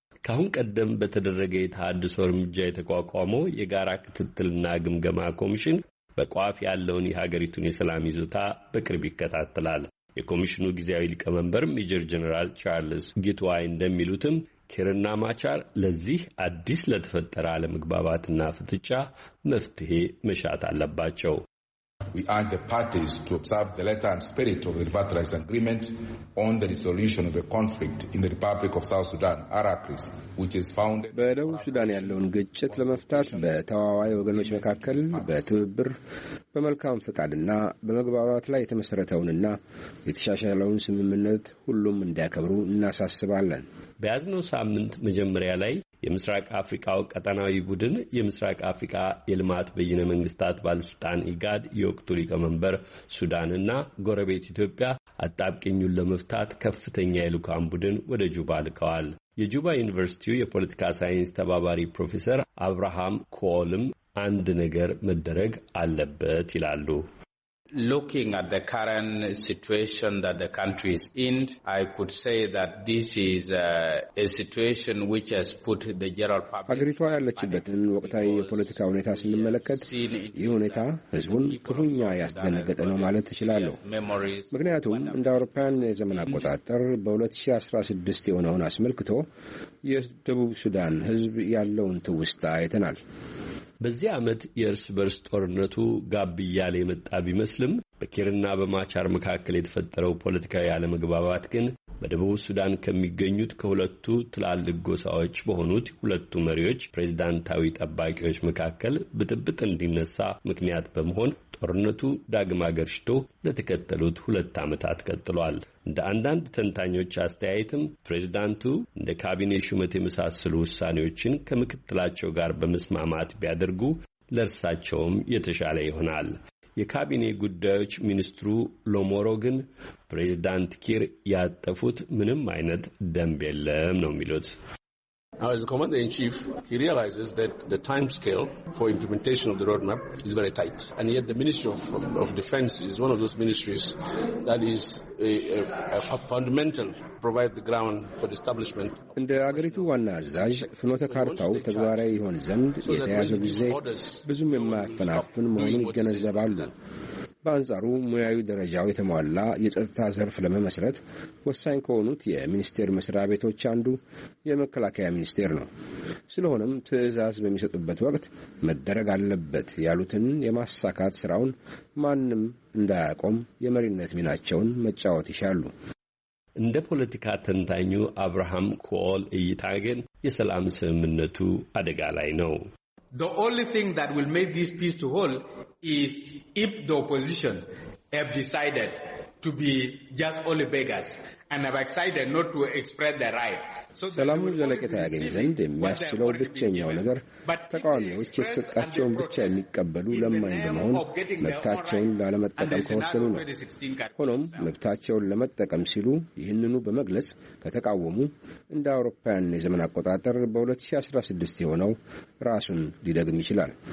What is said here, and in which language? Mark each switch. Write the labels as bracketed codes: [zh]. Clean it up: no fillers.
[am] ካሁን ቀደም በተደረገ የተሐድሶ እርምጃ የተቋቋመው የጋራ ክትትልና ግምገማ ኮሚሽን በቋፍ ያለውን የሀገሪቱን የሰላም ይዞታ በቅርብ ይከታተላል። የኮሚሽኑ ጊዜያዊ ሊቀመንበር ሜጀር ጀነራል ቻርልስ ጊትዋይ እንደሚሉትም ኪርና ማቻር ለዚህ አዲስ ለተፈጠረ አለመግባባትና ፍጥጫ መፍትሄ መሻት አለባቸው። [en] We urge the parties to observe the letter and spirit of the revitalized agreement on the resolution of the conflict in the Republic of South Sudan, RAPRIS, which is founded... [am] በደቡብ ሱዳን ያለውን ግጭት ለመፍታት በተዋዋይ ወገኖች መካከል በትብብር በመልካም ፍቃድና በመግባባት ላይ የተመሰረተውንና የተሻሻለውን ስምምነት ሁሉም እንዲያከብሩ እናሳስባለን። በያዝነው ሳምንት መጀመሪያ ላይ የምስራቅ አፍሪካው ቀጠናዊ ቡድን የምስራቅ አፍሪካ የልማት በይነ መንግስታት ባለስልጣን ኢጋድ የወቅቱ ሊቀመንበር ሱዳንና ጎረቤት ኢትዮጵያ አጣብቂኙን ለመፍታት ከፍተኛ የልዑካን ቡድን ወደ ጁባ ልከዋል። የጁባ ዩኒቨርሲቲው የፖለቲካ ሳይንስ ተባባሪ ፕሮፌሰር አብርሃም ኮልም አንድ ነገር መደረግ አለበት ይላሉ። [en] Looking at the current situation that the country is in, I could say that this is a situation which has put the general public [am] አግሪቷ ያለችበትን ወቅታዊ የፖለቲካ ሁኔታ ስንመለከት ይህ ሁኔታ ህዝቡን ክፉኛ ያስደነገጠ ነው ማለት ይችላሉ። ምክንያቱም እንደ አውሮፓውያን የዘመን አቆጣጠር በ2016 የሆነውን አስመልክቶ የደቡብ ሱዳን ህዝብ ያለውን ትውስታ አይተናል። በዚህ ዓመት የእርስ በርስ ጦርነቱ ጋብ እያለ የመጣ ቢመስልም በኪርና በማቻር መካከል የተፈጠረው ፖለቲካዊ አለመግባባት ግን በደቡብ ሱዳን ከሚገኙት ከሁለቱ ትላልቅ ጎሳዎች በሆኑት ሁለቱ መሪዎች ፕሬዝዳንታዊ ጠባቂዎች መካከል ብጥብጥ እንዲነሳ ምክንያት በመሆን ጦርነቱ ዳግም አገርሽቶ ለተከተሉት ሁለት ዓመታት ቀጥሏል። እንደ አንዳንድ ተንታኞች አስተያየትም ፕሬዝዳንቱ እንደ ካቢኔ ሹመት የመሳሰሉ ውሳኔዎችን ከምክትላቸው ጋር በመስማማት ቢያደርጉ ለእርሳቸውም የተሻለ ይሆናል። የካቢኔ ጉዳዮች ሚኒስትሩ ሎሞሮ ግን ፕሬዝዳንት ኪር ያጠፉት ምንም አይነት ደንብ የለም ነው የሚሉት። [en] Now, as the commander-in-chief, he realizes that the time scale for implementation of the roadmap is very tight. And yet the Ministry of Defense is one of those ministries that is a fundamental provide the ground for the establishment. [am] እንደ አገሪቱ ዋና አዛዥ ፍኖተ ካርታው ተግባራዊ ይሆን ዘንድ የተያዘው ጊዜ ብዙም የማያፈናፍን መሆኑን ይገነዘባሉ። በአንጻሩ ሙያዊ ደረጃው የተሟላ የጸጥታ ዘርፍ ለመመስረት ወሳኝ ከሆኑት የሚኒስቴር መስሪያ ቤቶች አንዱ የመከላከያ ሚኒስቴር ነው። ስለሆነም ትዕዛዝ በሚሰጡበት ወቅት መደረግ አለበት ያሉትን የማሳካት ስራውን ማንንም እንዳያቆም የመሪነት ሚናቸውን መጫወት ይሻሉ። እንደ ፖለቲካ ተንታኙ አብርሃም ኮል እይታ ግን የሰላም ስምምነቱ አደጋ ላይ ነው። [en] The only thing that will make this peace to hold is if the opposition have decided to be just only beggars and have decided not to express their right. [am] So ሰላሙ ዘለቀታ ያገኝ ዘንድ የሚያስችለው ብቸኛው ነገር ተቃዋሚዎች የሰጣቸውን ብቻ የሚቀበሉ ለማኝ በመሆን መብታቸውን ላለመጠቀም ከወሰኑ ነው። ሆኖም መብታቸውን ለመጠቀም ሲሉ ይህንኑ በመግለጽ ከተቃወሙ እንደ አውሮፓውያን የዘመን አቆጣጠር በ2016 የሆነው ራሱን ሊደግም ይችላል።